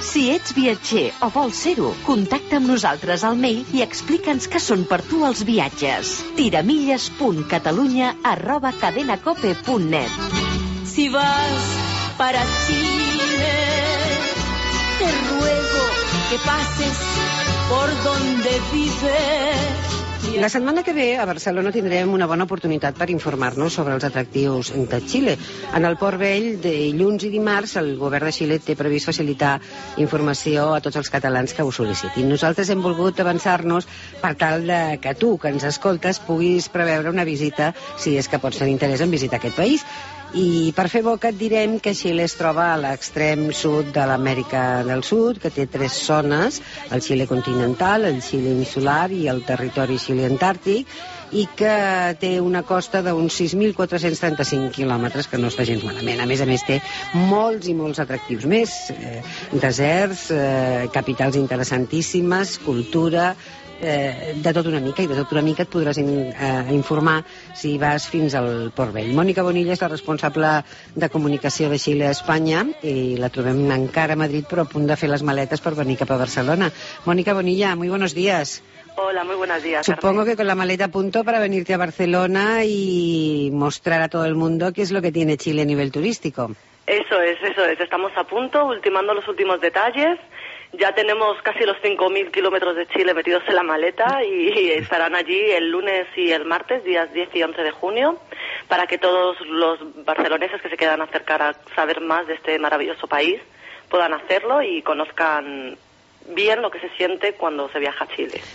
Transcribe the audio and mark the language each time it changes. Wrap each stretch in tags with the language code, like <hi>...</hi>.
<ca>ets viatger o vols ser-ho, contacta amb nosaltres al mail i explica'ns què són per tu els viatges. tiramilles.catalunya@cadenacope.net.</ca> <es>Si vas para Chile, te ruego que pases por donde vive.</es> <ca>La setmana que ve a Barcelona tindrem una bona oportunitat per informar-nos sobre els atractius de Xile. En el Port Vell, de dilluns i dimarts, el govern de Xile té previst facilitar informació a tots els catalans que ho sol·licitin. Nosaltres hem volgut avançar-nos per tal de que tu, que ens escoltes, puguis preveure una visita, si és que pots tenir interès en visitar aquest país. I per fer boca et direm que Xile es troba a l'extrem sud de l'Amèrica del Sud, que té tres zones, el Xile continental, el Xile insular i el territori Xile antàrtic, i que té una costa d'uns 6.435 quilòmetres, que no està gens malament. A més, té molts i molts atractius més, deserts, capitals interessantíssimes, cultura... de tot una mica, i de tot una mica et podràs informar si vas fins al Port Vell. Mònica Bonilla és la responsable de comunicació de Xile a Espanya i la trobem encara a Madrid, però a punt de fer les maletes per venir cap a Barcelona.</ca> <es>Mònica Bonilla, muy buenos días. Hola, muy buenos días. Supongo que con la maleta a punto para venirte a Barcelona y mostrar a todo el mundo qué es lo que tiene Xile a nivel turístico. Eso es. Estamos a punto, ultimando los últimos detalles. Ya tenemos casi los 5.000 kilómetros de Chile metidos en la maleta y estarán allí el lunes y el martes, días 10 y 11 de junio, para que todos los barceloneses que se quedan a acercar a saber más de este maravilloso país puedan hacerlo y conozcan bien lo que se siente cuando se viaja a Chile.</es>